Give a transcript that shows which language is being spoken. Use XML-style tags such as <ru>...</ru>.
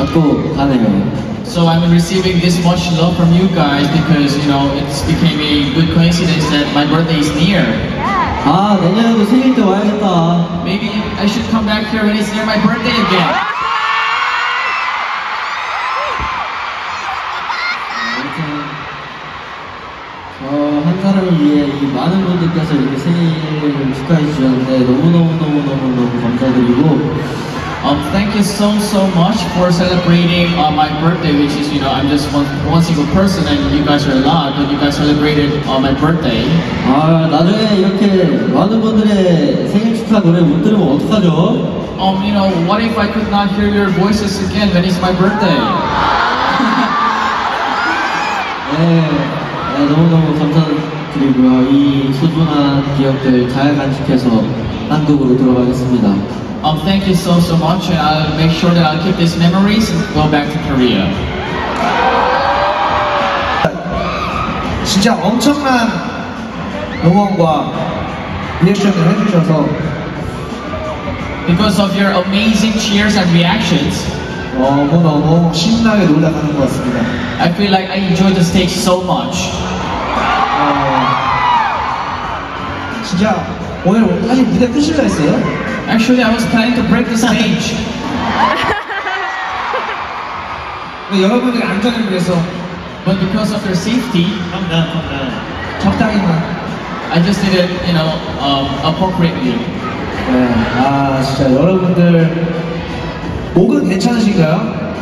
<en>So I'm receiving this much love from you guys because, it became a good coincidence that my birthday is near. Yeah.</en> <ko>아, 내년에도 생일 때 와야겠다.</ko> <en>Maybe I should come back here when it's near my birthday again. Oh, Thank you so much for celebrating my birthday, which is, you know, I'm just one single person and you guys are a lot, but you guys celebrated my birthday.</en> <ko>아, 나중에 이렇게 많은 분들의 생일 축하 노래 못 들으면 어떡하죠?</ko> <en>You know, what if I could not hear your voices again when it's my birthday?</en> <ko>네, 너무너무 감사드리고요. 이 소중한 기억들 잘 간직해서 한국으로 돌아가겠습니다.</ko> <en>Thank you so much, and I'll make sure that I'll keep these memories and go back to Korea.</en> <ko>진짜 엄청난 응원과 리액션을 해주셔서</ko> <en>Because of your amazing cheers and reactions,</en> <ko>너무너무 신나게 놀라가는 것 같습니다.</ko> <en>I feel like I enjoyed the stage so much.</en> <ko>진짜 오늘 사실 무대 끝일라 했어요?</ko> <en>Actually, I was planning to break the stage.</en> <ko>여러분들 안전을 위해서</ko> <en>But because of your safety,</en> <ko>적당히만</ko> <en>I just did it, you know, appropriately.</en> <ko>네, 아 진짜 여러분들 목은 괜찮으신가요?</ko>